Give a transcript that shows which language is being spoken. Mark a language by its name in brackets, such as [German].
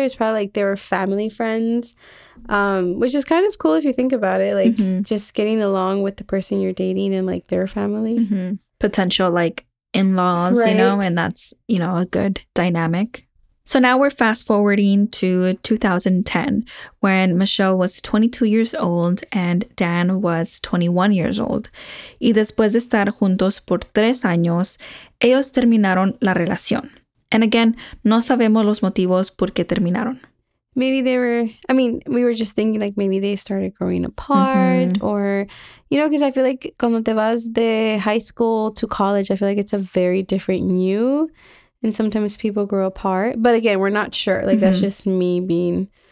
[English] It's probably like they were family friends, which is kind of cool if you think about it, like just getting along with the person you're dating and like their family. Potential like in-laws, you know, and that's, you know, a good dynamic. So now we're fast forwarding to 2010 when Michelle was 22 years old and Dan was 21 years old. [Spanish] Y después de estar juntos por 3 años, ellos terminaron la relación. [English] And again, [Spanish] no sabemos los motivos por qué terminaron. [English] Maybe they were, I mean, we were just thinking like maybe they started growing apart or, you know, because I feel like [Spanish] cuando te vas de [English] high school to college, I feel like it's a very different you. And sometimes people grow apart. But again, we're not sure. Like, that's just me being...